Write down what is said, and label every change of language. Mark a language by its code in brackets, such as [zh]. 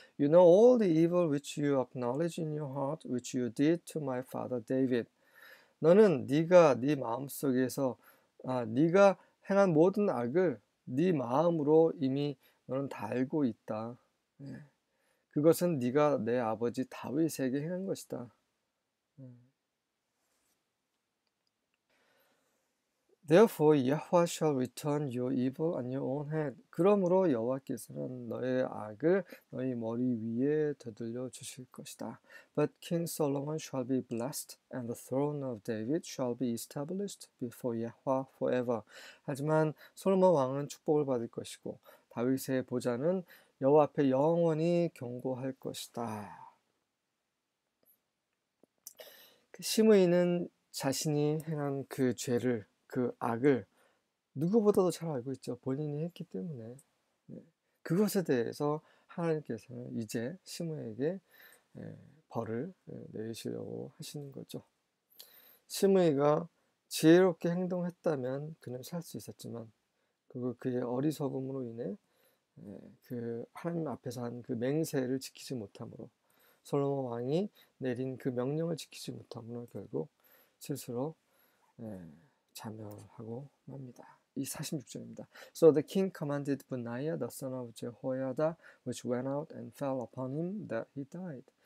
[en] You know all the evil which you acknowledge in your heart, which you did to my father David. [ko] 너는 네가 네 마음속에서 네가 행한 모든 악을 네 마음으로 이미 너는 다 알고 있다. 그것은 네가 내 아버지 다윗에게 행한 것이다. [en] Therefore, Yahweh shall return your evil on your own head. [ko] 그러므로 여호와께서는 너의 악을 너희 머리 위에 되돌려 주실 것이다. [en] But King Solomon shall be blessed, and the throne of David shall be established before Yahweh forever. [ko] 하지만 솔로몬 왕은 축복을 받을 것이고 다윗의 보좌는 여호와 앞에 영원히 견고할 것이다. 시므이는 자신이 행한 그 죄를 그 악을 누구보다도 잘 알고 있죠. 본인이 했기 때문에. 그것에 대해서 하나님께서는 이제 시므이에게 벌을 내리시려고 하시는 거죠. 시므이가 지혜롭게 행동했다면 그는 살수 있었지만 그리고 그의 어리석음으로 인해 그 하나님 앞에서 한그 맹세를 지키지 못함으로 솔로몬 왕이 내린 그 명령을 지키지 못함으로 결국 스스로 자멸하고 맙니다. 이 46절입니다. [en] So the king commanded Benaiah the son of Jehoiada, which went out and fell upon him, that he died.